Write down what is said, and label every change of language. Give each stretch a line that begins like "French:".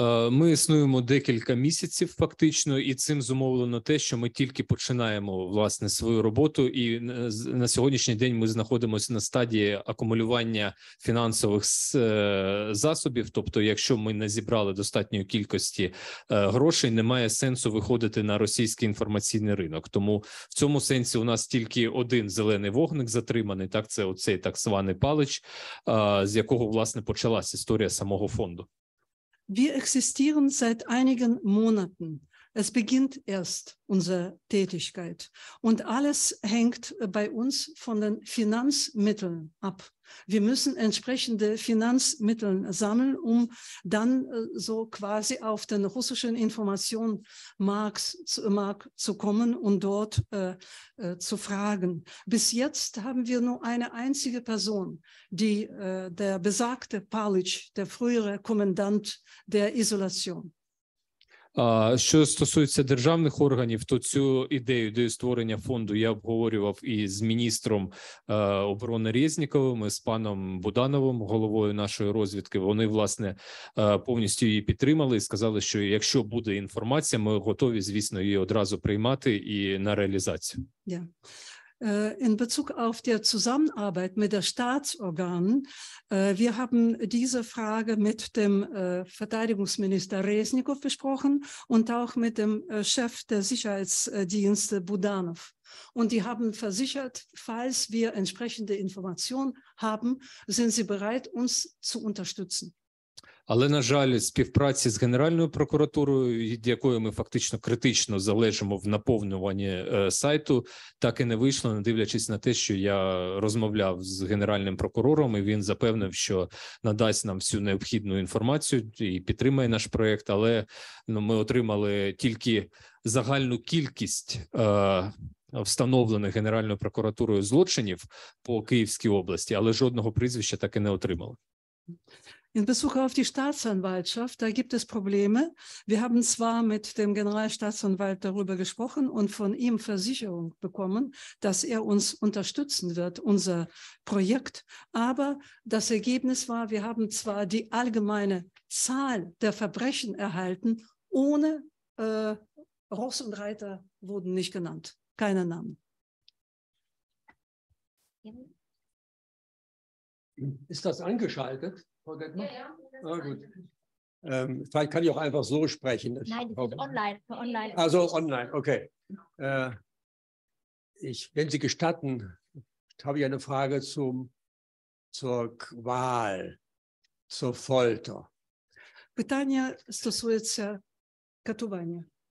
Ukrainian: Ми існуємо декілька місяців фактично, і цим зумовлено те, що ми тільки починаємо, власне, свою роботу, і на сьогоднішній день ми знаходимося на стадії акумулювання фінансових засобів, тобто якщо ми не зібрали достатньої кількості грошей, немає сенсу виходити на російський інформаційний ринок. Тому в цьому сенсі у нас тільки один зелений вогник затриманий, так, це оцей так званий палич, з якого, власне, почалась історія самого фонду.
German: Wir existieren seit einigen Monaten. Es beginnt erst unsere Tätigkeit. Und alles hängt bei uns von den Finanzmitteln ab. Wir müssen entsprechende Finanzmittel sammeln, um dann so quasi auf den russischen Informationsmarkt zu kommen und dort zu fragen. Bis jetzt haben wir nur eine einzige Person, die der besagte Palitsch, der frühere Kommandant der Isolation.
Ukrainian: Що стосується державних органів, то цю ідею до створення фонду я обговорював і з міністром оборони Резніковим, і з паном Будановим, головою нашої розвідки. Вони, власне, повністю її підтримали і сказали, що якщо буде інформація, ми готові, звісно, її одразу приймати і на реалізацію.
German: In Bezug auf die Zusammenarbeit mit der Staatsorganen, wir haben diese Frage mit dem Verteidigungsminister Reznikov besprochen und auch mit dem Chef der Sicherheitsdienste Budanov. Und die haben versichert, falls wir entsprechende Informationen haben, sind sie bereit, uns zu unterstützen.
Ukrainian: Але, на жаль, співпраці з Генеральною прокуратурою, від якої ми фактично критично залежимо в наповнюванні сайту, так і не вийшло, не дивлячись на те, що я розмовляв з Генеральним прокурором, і він запевнив, що надасть нам всю необхідну інформацію і підтримає наш проєкт, але ми отримали тільки загальну кількість встановлених Генеральною прокуратурою злочинів по Київській області, але жодного прізвища так і не отримали.
German: In Bezug auf die Staatsanwaltschaft, da gibt es Probleme. Wir haben zwar mit dem Generalstaatsanwalt darüber gesprochen und von ihm Versicherung bekommen, dass er uns unterstützen wird, unser Projekt. Aber das Ergebnis war, wir haben zwar die allgemeine Zahl der Verbrechen erhalten, ohne Ross und Reiter wurden nicht genannt, keine Namen. Ist das angeschaltet? Ja, ja. Gut. Vielleicht kann ich auch einfach so sprechen. Nein, das ist online. Also online, okay. Wenn Sie gestatten, habe ich eine Frage zur Qual, zur Folter.
Ukrainian: Питання стосується катування.